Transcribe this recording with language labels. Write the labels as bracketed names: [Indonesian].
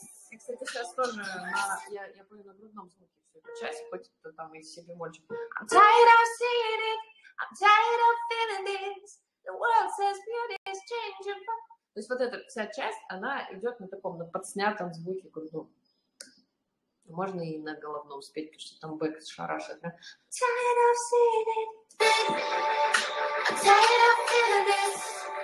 [Russian] И, кстати, сейчас тоже я пою на грудном звуке всю эту часть, хоть это там и си бемольчик. [English] I'm tired of seeing it, I'm tired of feeling this, the world says beauty is changing. [Russian] То есть вот эта вся часть, она идет на таком, на подснятом звуке грудном. Можно и на головном спеть, потому что там бэк шарашит, да? [English] I'm tired of seeing it, I'm tired of feeling this.